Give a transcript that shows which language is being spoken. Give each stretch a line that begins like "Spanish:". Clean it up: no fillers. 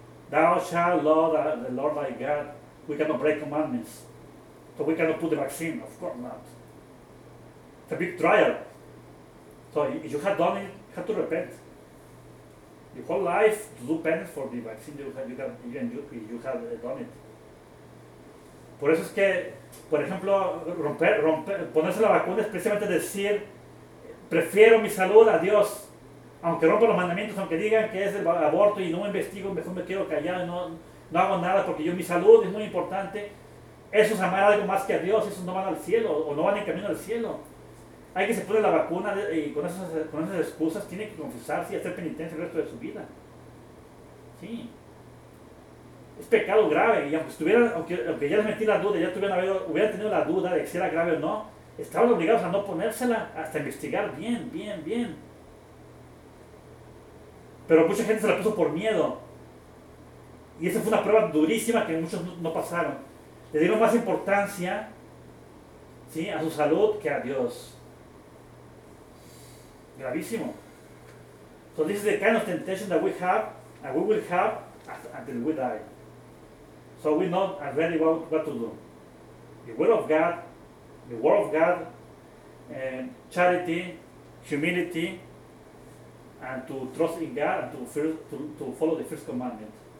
English: Thou shalt love the Lord thy God. We cannot break commandments. So we cannot put the vaccine, of course not. It's a big trial. So if you have done it, you have to repent. Your whole life to do penance for the vaccine you have done it.
Spanish: Por eso es que, por ejemplo, ponerse la vacuna es precisamente decir, prefiero mi salud a Dios, aunque rompa los mandamientos, aunque digan que es el aborto y no me investigo, mejor me quedo callado y no hago nada porque yo mi salud es muy importante. Eso es amar algo más que a Dios, eso no van al cielo o no van en camino al cielo. Hay que se pone la vacuna y con esas excusas tiene que confesarse y hacer penitencia el resto de su vida. Sí. Es pecado grave. Y aunque ya les metí la duda, ya hubieran tenido la duda de si era grave o no, estaban obligados a no ponérsela hasta investigar bien. Pero mucha gente se la puso por miedo. Y esa fue una prueba durísima que muchos no pasaron. Le dieron más importancia, ¿sí?, a su salud que a Dios. Gravísimo.
English: So this is the kind of temptation that we have and we will have until we die. So we know already what to do. The will of God, the word of God, charity, humility, and to trust in God and to follow the first commandment.